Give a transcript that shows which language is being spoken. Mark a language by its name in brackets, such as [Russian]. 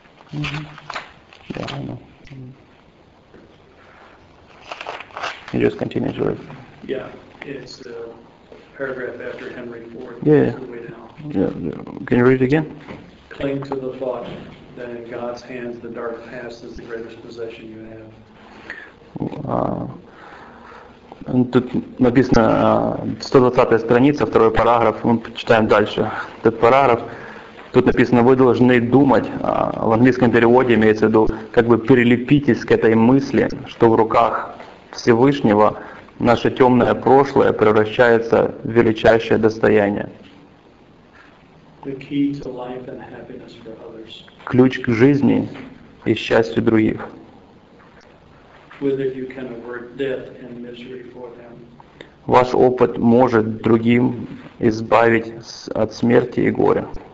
[English] Mm-hmm. Yeah, I know. Mm-hmm. You just continue to read. Yeah, it's a paragraph after Henry Ford. Yeah. Yeah. Can you read it again? Cling to the thought that in God's hands the dark past is the greatest possession you have. [Russian] Тут написано 120-я страница, второй параграф, мы почитаем дальше. Этот параграф, тут написано, вы должны думать, в английском переводе имеется в виду, как бы прилепитесь к этой мысли, что в руках Всевышнего наше темное прошлое превращается в величайшее достояние. [English] The key to life and happiness for others. [Russian] Ключ к жизни и счастью других. [English] Whether you can avert death and misery for them. [Russian] Ваш опыт может другим избавить от смерти и горя.